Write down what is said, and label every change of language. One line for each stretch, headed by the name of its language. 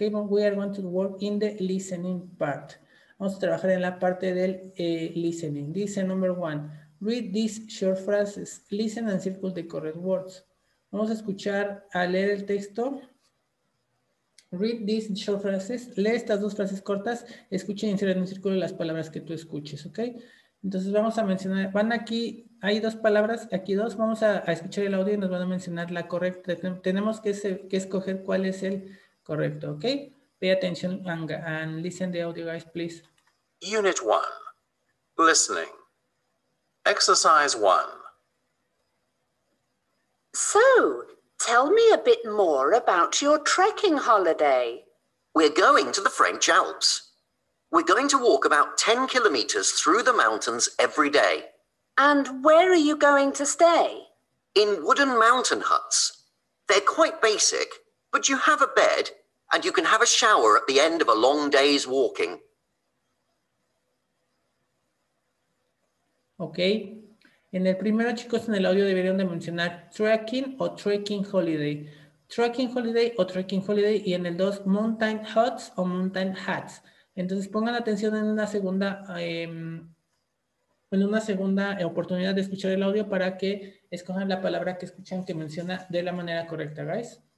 English: Ok, we are going to work in the listening part.
Spanish: Vamos a trabajar en la parte del listening.
English: Dice number one, read these short phrases. Listen and circle the correct words.
Spanish: Vamos a escuchar, a leer el texto.
English: Read these short phrases.
Spanish: Lee estas dos frases cortas. Escucha y encierra en un círculo las palabras que tú escuches, ¿ok? Entonces vamos a mencionar. Van aquí, hay dos palabras, aquí dos. Vamos a escuchar el audio y nos van a mencionar la correcta. Tenemos que escoger cuál es el correcto, ¿ok?
English: Pay attention and listen the audio, guys, please. Unit 1. Listening. Exercise 1. So, tell me a bit more about your trekking holiday. We're going to the French Alps. We're going to walk about 10 kilometers through the mountains every day. And where are you going to stay? In wooden mountain huts. They're quite basic, but you have a bed and you can have a shower at the end of a long day's walking.
Spanish: Ok, en el primero, chicos, en el audio deberían de mencionar trekking o trekking holiday. Trekking holiday o trekking holiday. Y en el dos, mountain huts o mountain hats. Entonces pongan atención en una segunda oportunidad de escuchar el audio para que escojan la palabra que escuchan que menciona de la manera correcta, guys.